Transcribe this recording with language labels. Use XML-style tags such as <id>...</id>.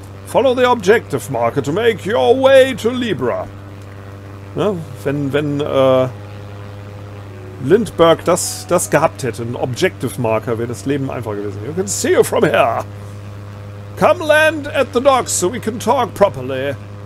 <en>Follow the objective marker to make your way to Libra.</en> <de>Ja, wenn Lindbergh das gehabt hätte, ein Objective Marker, wäre das Leben einfacher gewesen.</de> <en>You can see you from here. Come land at the docks so we can talk properly.</en>